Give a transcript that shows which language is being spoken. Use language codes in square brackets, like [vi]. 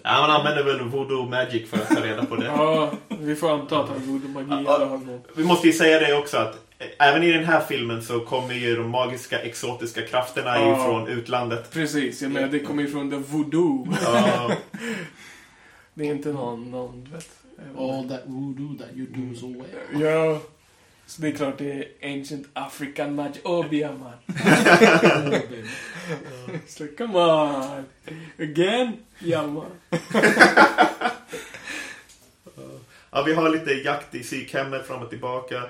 [sv] Ja, han använder väl voodoo magic för att ta reda på det. Ja, vi får anta att han voodoo magi. Vi måste ju säga det också att även i den här filmen så kommer ju de magiska, exotiska krafterna från utlandet. Precis, jag menar, det kommer ju från The Voodoo. Det är inte någon vet. [en] All that voodoo that you do so well. [sv] Ja, så det är klart det är [en] ancient African magic. Man. So, come on. Again? Man. [sv] Ja, vi har lite jakt i sykhemmet fram och tillbaka.